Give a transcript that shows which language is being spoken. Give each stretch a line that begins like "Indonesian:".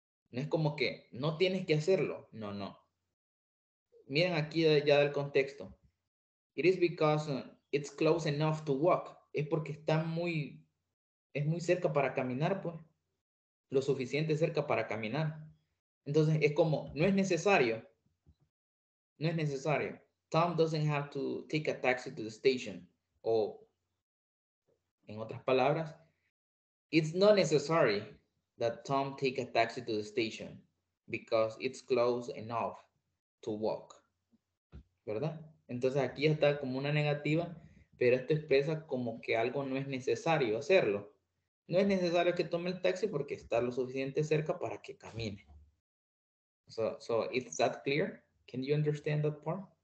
Spanish: No es como que no tienes que hacerlo. No, no. Miren aquí ya del contexto.
English: It is because it's close enough to walk.
Spanish: Es porque está muy, es muy cerca para caminar, pues. Lo suficiente cerca para caminar. Entonces es como, no es necesario. No es necesario.
English: Tom doesn't have to take a taxi to the station.
Spanish: O, en otras palabras,
English: it's not necessary that Tom take a taxi to the station because it's close enough to walk.
Spanish: ¿Verdad? Entonces aquí está como una negativa, pero esto expresa como que algo no es necesario hacerlo. No es necesario que tome el taxi porque está lo suficiente cerca para que camine.
English: So is that clear? Can you understand that part?